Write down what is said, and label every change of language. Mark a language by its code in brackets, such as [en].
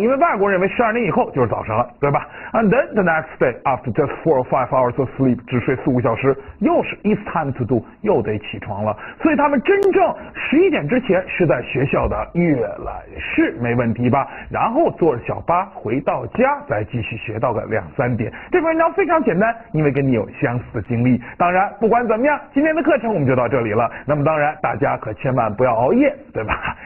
[zh] 因为外国人认为十二点以后就是早上了，对吧？ [en] And then the next day after just 4 or 5 hours of sleep， [zh] 只睡四五小时，又是 [en] it's time to do， [zh] 又得起床了。所以他们真正十一点之前是在学校的阅览室，没问题吧？然后坐着小巴回到家，再继续学到个两三点。这篇文章非常简单，因为跟你有相似的经历。当然，不管怎么样，今天的课程我们就到这里了。那么当然，大家可千万不要熬夜，对吧？